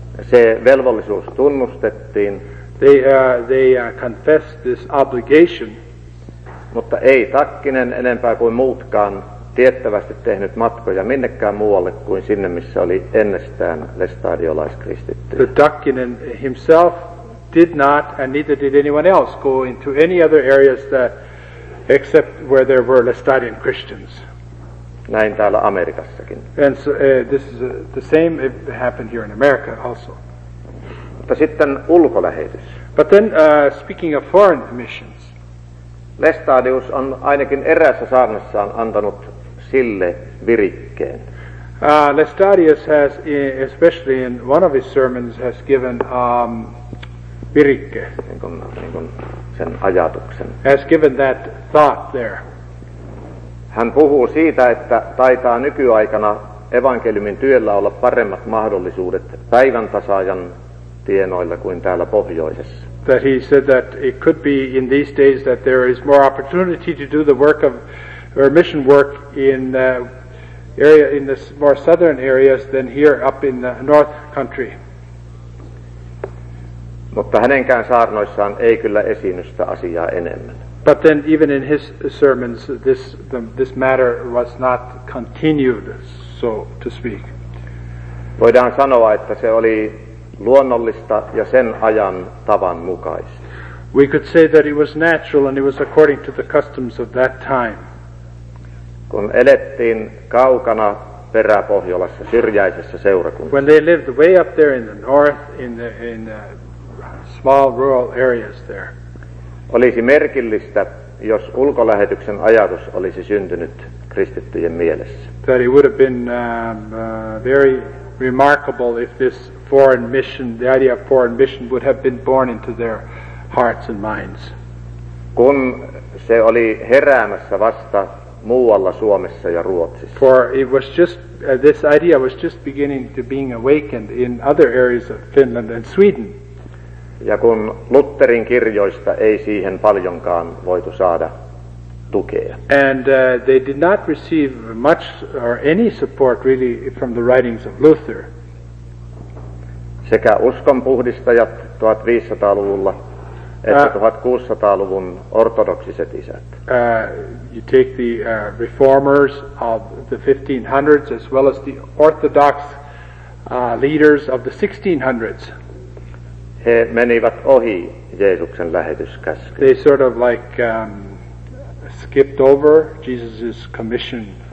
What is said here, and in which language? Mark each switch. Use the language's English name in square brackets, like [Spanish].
[Finnish] Se velvollisuus tunnustettiin. [English] They confessed this obligation. [Finnish] Mutta ei Takkinen enempää kuin muutkaan tiettävästi tehnyt matkoja minnekään muualle kuin sinne, missä oli ennestään lestadiolaiskristitty. [English] But Takkinen himself did not, and neither did anyone else, go into any other areas that, except where there were Lestadian Christians. [Finnish] Näin täällä Amerikassakin. [English] And so, this is the same, it happened here in America also. [Finnish] Mutta sitten ulkolähetys. [English] But then, speaking of foreign missions. [Finnish] Lestadius on ainakin eräässä saarnassaan antanut sille virikkeen. [English] Lestadius has, especially in one of his sermons, has given [Finnish] virikke. Niin kuin sen ajatuksen. [English] Has given that thought there. [Finnish] Hän puhuu siitä, että taitaa nykyaikana evankeliumin työllä olla paremmat mahdollisuudet päivän tasaajan tienoilla kuin täällä pohjoisessa. [English] That he said that it could be in these days that there is more opportunity to do the work of or mission work in area in the more southern areas than here up in the north country. [Finnish] Mutta hänenkään saarnoissaan ei kyllä esiinny sitä asiaa enemmän. [English] But then even in his sermons this matter was not continued, so to speak. [Finnish] Voidaan sanoa, että se oli luonnollista ja sen ajan tavan mukaista. [English] We could say that it was natural and it was according to the customs of that time. [Finnish] Kun elettiin kaukana peräpohjolassa syrjäisessä seurakunnassa. [English] When they lived way up there in the north in the small rural areas there. [Finnish] Olisi merkillistä, jos ulkolähetyksen ajatus olisi syntynyt kristittyjen mielessä. [English] That it would have been very remarkable if this foreign mission, the idea of foreign mission would have been born into their hearts and minds. [Finnish] Kun se oli heräämässä vasta muualla Suomessa ja Ruotsissa. [English] For it was just this idea was just beginning to being awakened in other areas of Finland and Sweden. [Finnish] Ja kun Lutherin kirjoista ei siihen paljonkaan voitu saada tukea. [English] And they did not receive much or any support really from the writings of Luther. [Finnish] Sekä uskonpuhdistajat 1500-luvulla että 1600-luvun ortodoksiset isät. [English] You take the reformers of the 1500s as well as the orthodox leaders of the 1600s. [Finnish] He menivät ohi Jeesuksen lähetyskäskyn. [English] They sort of like skipped over Jesus's commission.